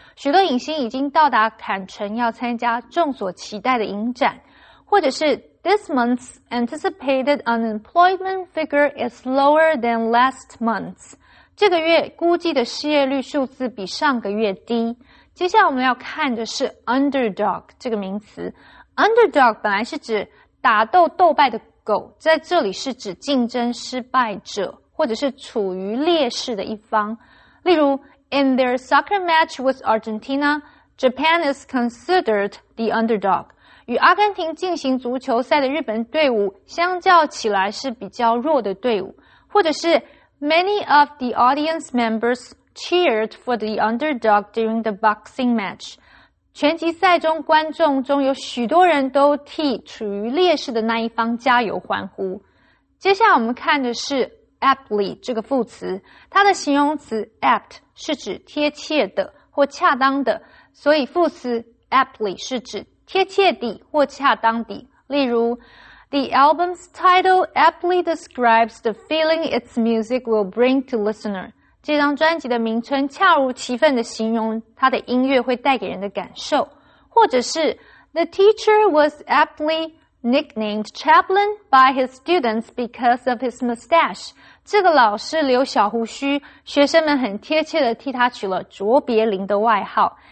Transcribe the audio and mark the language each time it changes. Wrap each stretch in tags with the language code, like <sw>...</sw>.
<zh>许多影星已经到达坎城，要参加众所期待的影展。或者是</zh> <en>，This month's anticipated unemployment figure is lower than last month's.</en> <zh>这个月估计的失业率数字比上个月低。接下来我们要看的是 underdog 这个名词。 Underdog 本来是指打斗斗败的。狗在这里是指竞争失败者或者是处于劣势的一方。例如</zh> <en>,in their soccer match with Argentina, Japan is considered the underdog.</en> <zh>与阿根廷进行足球赛的日本队伍相较起来是比较弱的队伍。或者是</zh> <en>,many of the audience members cheered for the underdog during the boxing match.</en> <zh>拳击赛中观众中有许多人都替处于劣势的那一方加油欢呼。接下来我们看的是 aptly 这个副词，它的形容词 apt 是指贴切的或恰当的，所以副词 aptly 是指贴切的或恰当的。例如</zh> <en>The album's title aptly describes the feeling its music will bring to listener.</en> <zh>这张专辑的名称恰如其分地形容它的音乐会带给人的感受。或者是</zh> <en>The teacher was aptly nicknamed Chaplin by his students because of his mustache.</en> <zh>这个老师留小胡须，学生们很贴切地替他取了卓别林的外号。</zh>